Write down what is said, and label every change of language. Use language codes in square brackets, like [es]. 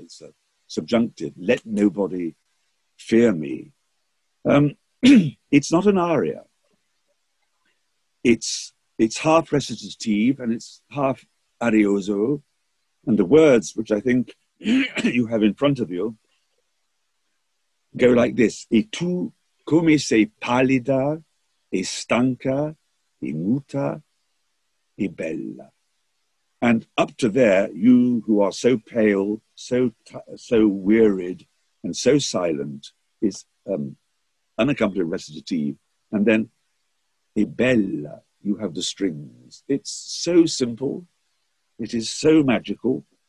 [en] It's a subjunctive, let nobody fear me. it's not an aria. It's half recitative and it's half arioso. And the words, which I think you have in front of you, go like this. [it] E tu come sei pallida, e stanca, e muta, e bella. [en] And up to there, you who are so pale, so wearied, and so silent, is unaccompanied recitative. And then, [it] e bella, [en] you have the strings. It's so simple. It is so magical.